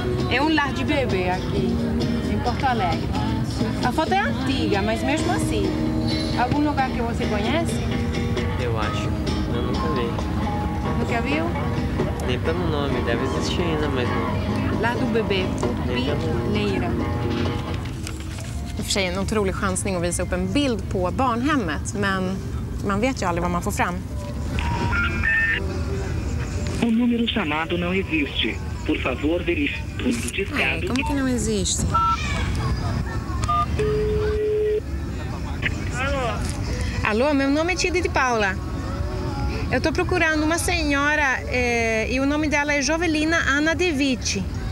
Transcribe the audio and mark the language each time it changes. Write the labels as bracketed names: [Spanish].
[Portuguese] é lar de bebê aqui, em Porto Alegre. A foto é antiga, mas mesmo assim... algum lugar que você conhece? Eu acho. Eu nunca vi. Nunca viu? Nem pelo nome, deve existir ainda, mas não. Lar do bebê. Leira. [Swedish] I och för sig en otrolig chansning att visa upp en bild på barnhemmet, men man vet ju aldrig vad man får fram. [Portuguese] Um número chamado não existe. Por favor, verifique. Ai, como que não existe? Alô, meu nome é Tia Didi Paula. Eu estou procurando uma senhora e o nome dela é Jovelina Ana De Vici.